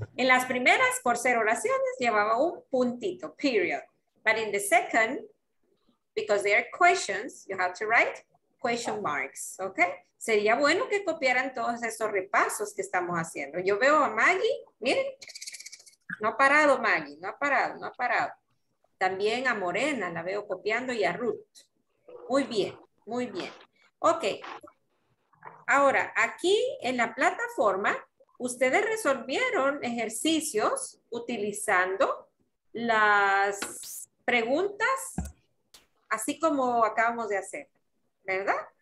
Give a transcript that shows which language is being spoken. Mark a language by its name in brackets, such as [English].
[Spanish] En las primeras, por ser oraciones, llevaba un puntito, period. [English] But in the second, because they are questions, you have to write question marks, okay? [Spanish] Sería bueno que copiaran todos esos repasos que estamos haciendo. Yo veo a Maggie, miren, no ha parado Maggie, no ha parado. También a Morena la veo copiando y a Ruth. Muy bien. Ok, ahora aquí en la plataforma ustedes resolvieron ejercicios utilizando las preguntas así como acabamos de hacer, ¿verdad?